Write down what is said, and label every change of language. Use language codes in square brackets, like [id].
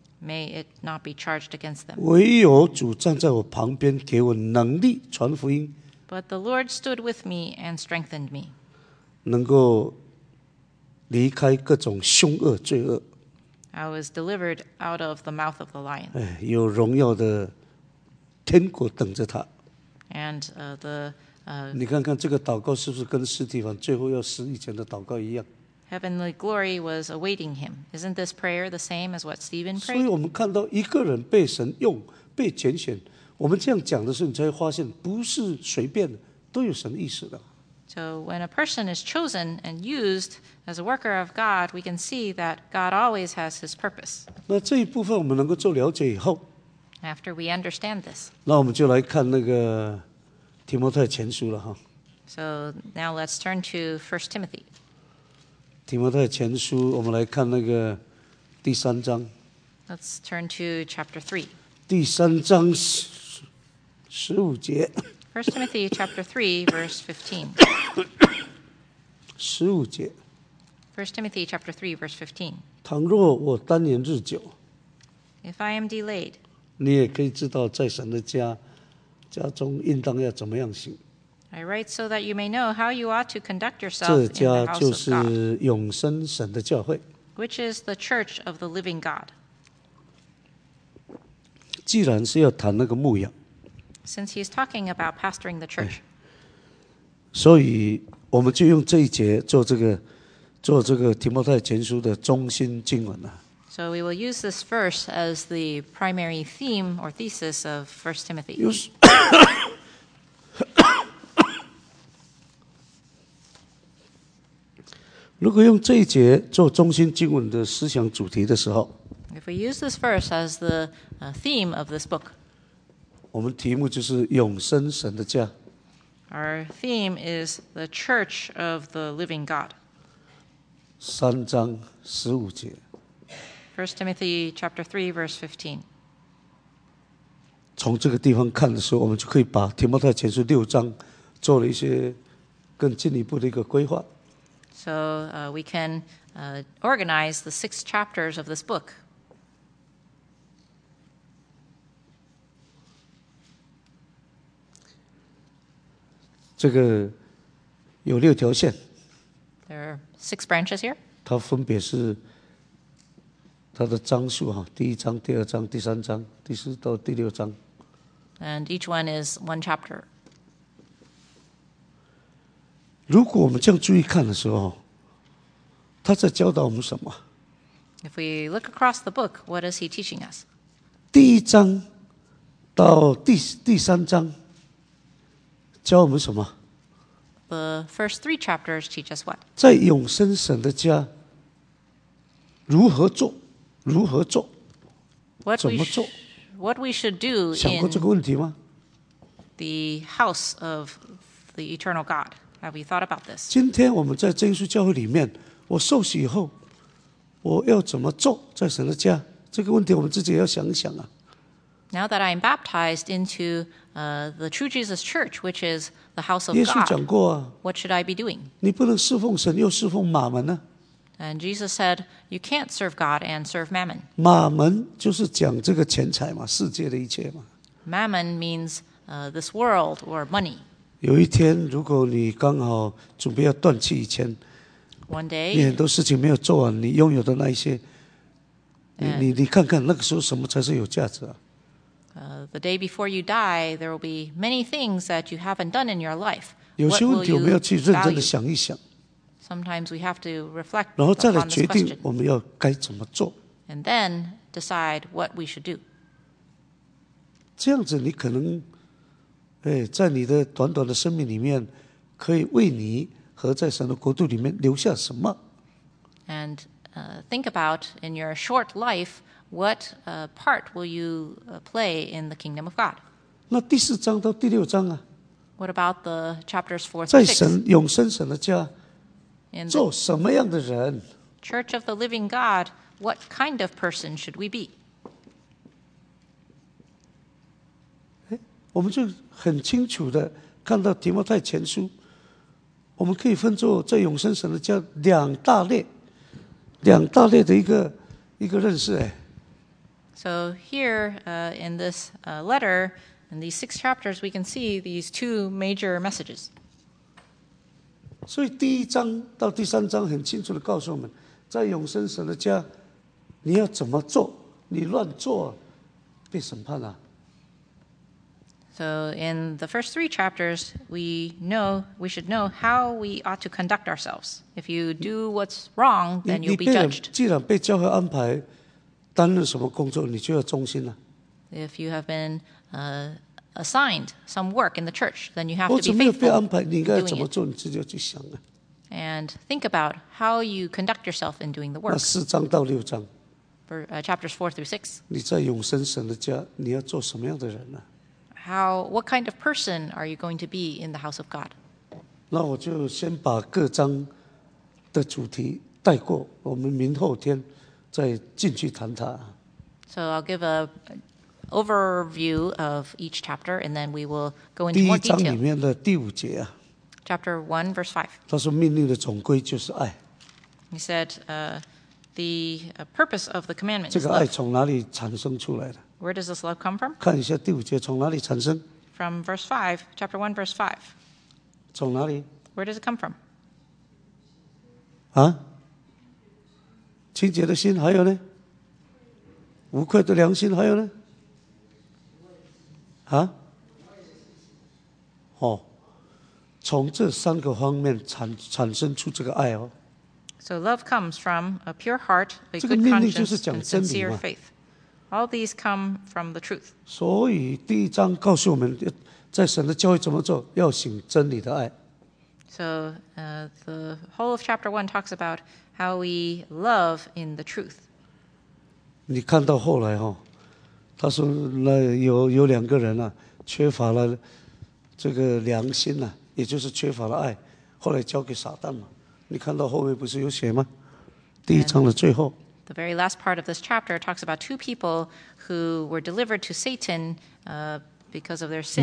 [en] May it not be charged against them. [zh] 唯有主站在我旁边，给我能力传福音。 [en] But the Lord stood with me and strengthened me. [zh] 能够离开各种凶恶罪恶。 [en] I was delivered out of the mouth of the lion. [zh] 哎，有荣耀的天国等着他。 [en] And [zh] 你看看这个祷告是不是跟斯提凡最后要死以前的祷告一样 [en] ？Heavenly glory was awaiting him. Isn't this prayer the same as what Stephen prayed? [zh] 所以我们看到一个人被神用、被拣选，我们这样讲的时候，你才会发现不是随便的，都有神的意思的。 [en] So when a person is chosen and used as a worker of God, we can see that God always has his purpose. [zh] 那这一部分我们能够做了解以后， [en] After we understand this. [zh] 那我们就来看那个提摩太前书了哈。 [en] So now let's turn to 1 Timothy. [zh] 提摩太前书我们来看那个第三章。 [en] Let's turn to chapter 3. [zh] 第三章十五节。 [en] 1 Timothy chapter 3, verse [zh] 15. 15节。 [en] 1 Timothy chapter 3, verse 15. [zh] 倘若我单延日久。 [en] If I am delayed. [zh] 你也可以知道在神的家中应当要怎么样行。 [en] I write so that you may know how you ought to conduct yourself in the house of God. [zh] 这家就是永生神的教会。 [en] Which is the church of the living God. [zh] 既然是要谈那个牧养。 [en] Since he's talking about pastoring the church. [zh] 所以我们就用这一节做这个提摩太前书的中心经文啊。 [en] So we will use this verse as the primary theme or thesis of 1 Timothy. [zh] 如果用这一节做中心经文的思想主题的时候， [en] If we use this verse as the theme of this book, [zh] 我们题目就是永生神的家。 [en] Our theme is the church of the living God. [zh] 三章十五节。 [en] First Timothy chapter 3 verse 15. [zh] 从这个地方看的时候，我们就可以把提摩太前书六章做了一些更进一步的一个规划。 [en] So we can organize the six chapters of this book. [zh] 这个有六条线。 [en] There are six branches here. [zh] 它分别是它的章数哈，第一章、第二章、第三章、第四到第六章。 [en] And each one is one chapter. [zh] 如果我们这样注意看的时候，他在教导我们什么？ [en] If we look across the book, what is he teaching us? [zh] 第一章到 第三章教我们什么？ [en] The first three chapters teach us what? [zh] 在永生神的家如何做？如何做？怎么做？ [en] What we should do in [zh] 想过这个问题吗？ [en] The house of the eternal God. Have we thought about this? [zh] 今天我们在真耶稣教会里面，我受洗以后，我要怎么做在神的家？这个问题我们自己要想一想啊。 [en] Now that I am baptized into the true Jesus Church, which is the house of God, [zh] 耶稣讲过啊， [en] what should I be doing? [zh] 你不能侍奉神又侍奉马门呢？ [en] And Jesus said, you can't serve God and serve mammon. [zh] 马门就是讲这个钱财嘛，世界的一切嘛。 [en] Mammon means this world or money. [zh] 有一天，如果你刚好准备要断气以前。 [en] One day, [zh] 你很多事情没有做完，你拥有的那一些， and, 你看看那个时候什么才是有价值啊？ [en] The day before you die, there will be many things that you haven't done in your life. [zh] 有些问题我们要去认真的想一想。 [en] Sometimes we have to reflect. [zh] 然后再来决定我们要该怎么做。 [en] And then decide what we should do. [zh] 这样子你可能，哎，在你的短短的生命里面，可以为你。和在神的国度里面留下什么 [en] ？And think about in your short life, what part will you play in the kingdom of God? [zh] 那第四章到第六章啊 [en] ？What about the chapters 4 to 6? [zh] 在神永生神的家，做什么样的人 [en] ？Church of the Living God, what kind of person should we be? [zh] 哎，我们就很清楚的看到提摩太前书。我们可以分作在永生神的家两大类，两大类的一个认识。哎 [en] ，So here, in this letter, in these six chapters, we can see these two major messages. [zh] 所以第一章到第三章很清楚地告诉我们，在永生神的家，你要怎么做？你乱做，被审判了。 [en] So in the first three chapters, we should know how we ought to conduct ourselves. If you do what's wrong, then you'll be judged. [zh] 既然被教会安排担任什么工作，你就要忠心了。 [en] If you have been assigned some work in the church, then you have to be faithful. [zh] 或者没有被安排，你应该怎么做？你自己要去想啊。 [en] And think about how you conduct yourself in doing the work. [zh] 那四章到六章 [en] chapters 4 through 6. [zh] 你在永生神的家，你要做什么样的人呢？ [en] What kind of person are you going to be in the house of God? [zh] 那我就先把各章的主题带过，我们明后天再进去谈它。 [en] So I'll give an overview of each chapter, and then we will go into more detail. [zh] 第一章里面的第五节啊。 [en] Chapter 1, verse 5. [zh] 他说命令的总归就是爱。 [en] He said, the purpose of the commandment. [zh] 这个爱从哪里产生出来的？ [en] Where does this love come from? [zh] 看一下第五节从哪里产生。 [en] From verse 5, chapter 1, verse 5. [zh] 从哪里？ [en] Where does it come from? [zh] 啊？清洁的心，还有呢？无愧的良心，还有呢？啊？哦，从这三个方面产生出这个爱哦。 [en] So love comes from a pure heart, a good conscience, and sincere faith. All these come from the truth. [zh] 所以第一章告诉我们，在神的教会怎么做，要行真理的爱。 [en] So the whole of chapter 1 talks about how we love in the truth. [zh] 你看到后来哦，他说那有两个人啊，缺乏了这个良心啊，也就是缺乏了爱，后来交给撒旦嘛。你看到后面不是有写吗？第一章的最后。 [en] The very last part of this chapter talks about two people who were delivered to Satan because of their sin.